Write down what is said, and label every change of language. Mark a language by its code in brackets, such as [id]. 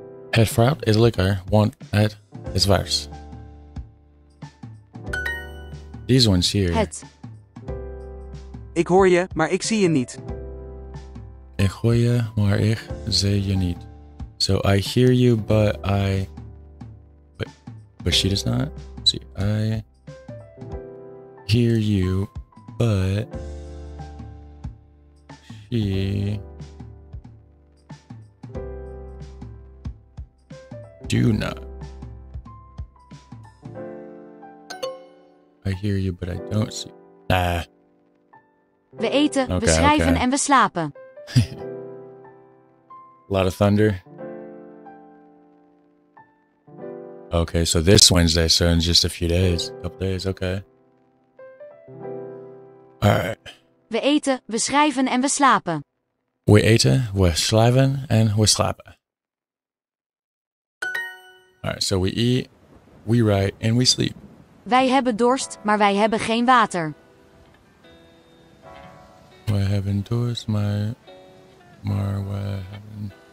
[nl] Het fruit is lekker, want het is vers. [en] These ones here. [nl] Het. Ik hoor je, maar ik zie je niet. Ik hoor je, maar ik zie je niet. [en] So I hear you, but I... But she does not. See, I hear you, but she do not. I hear you, but I don't see. Nah. [nl] We eten, okay, we schrijven, okay. En we slapen. [en] A lot of thunder. Okay, so this Wednesday, so in just a few days, a couple days, okay. All right. [nl] We eten, we schrijven en we slapen. We eten, we schrijven en we slapen. [en] All right, so we eat, we write and we sleep. [nl] Wij hebben dorst, maar wij hebben geen water. Wij hebben dorst, maar wij hebben...